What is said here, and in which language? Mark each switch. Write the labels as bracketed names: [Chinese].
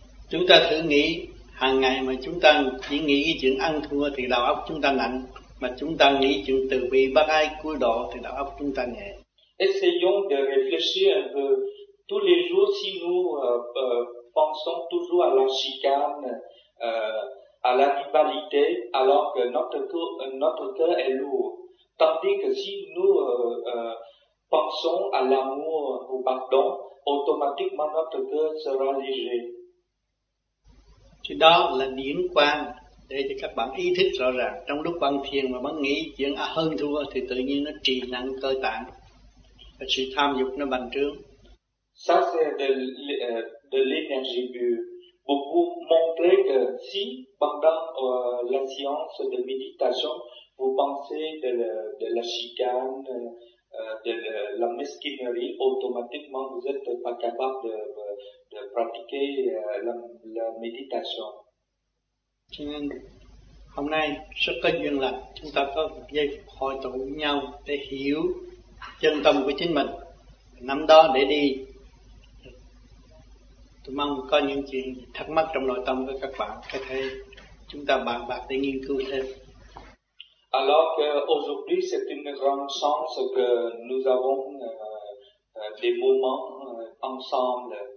[Vietnamese] Chúng ta thử nghĩ hàng ngày mà chúng ta chỉ nghĩ chuyện ăn thua thì đầu óc chúng ta nặng, mà chúng ta nghĩ chuyện từ bi bác ai cứu độ thì đầu óc chúng ta nhẹ. [French] Essayons de réfléchir un peu. Tous les jours, si nous pensons toujours à la chicane, à l'animalité, alors que notre cœur est lourd. Tandis que si nous pensons à l'amour ou au pardon, automatiquement notre cœur sera léger. [Vietnamese] Thì đó là điển quang để cho các bạn ý thức rõ ràng. Trong lúc quan thiền mà bạn nghĩ chuyện hơn thua thì tự nhiên nó trì nặng cơ tạng và sự tham dục nó bành trướng. [French] Ça c'est de l'énergie pure. Pour vous montrer que si pendant la séance de méditation vous pensez de la chicane, de la mesquinerie, automatiquement vous n'êtes pas capable de pratiquer la méditation. [Vietnamese] Cho nên hôm nay rất có duyên là chúng ta có giây hội tụ với nhau để hiểu chân tâm của chính mình, nắm đó để đi. Tôi mong có những chuyện thắc mắc trong nội tâm của các bạn có thể chúng ta bàn bạc để nghiên cứu thêm. [French] Alors qu'aujourd'hui c'est une grande chance que nous avons des moments ensemble.